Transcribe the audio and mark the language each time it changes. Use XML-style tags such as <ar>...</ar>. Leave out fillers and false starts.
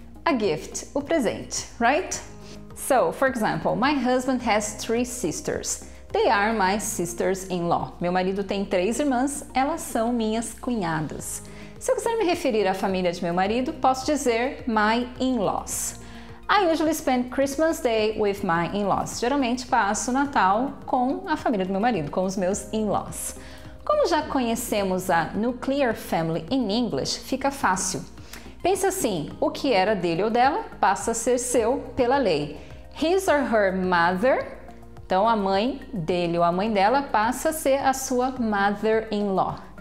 <en>A gift,</en> <pt>o presente,</pt> <en>right? So, for example, my husband has 3 sisters. They are my sisters-in-law.</en> <pt>Meu marido tem 3 irmãs, elas são minhas cunhadas. Se eu quiser me referir à família de meu marido, posso dizer</pt> <en>my in-laws. I usually spend Christmas Day with my in-laws.</en> <pt>Geralmente passo Natal com a família do meu marido, com os meus in-laws. Como já conhecemos a</pt> <en>nuclear family in English,</en> <pt>fica fácil. Pense assim, o que era dele ou dela passa a ser seu pela lei.</pt> <en>His or her mother,</en> <pt>então a mãe dele ou a mãe dela passa a ser a sua mother-in-law.</pt>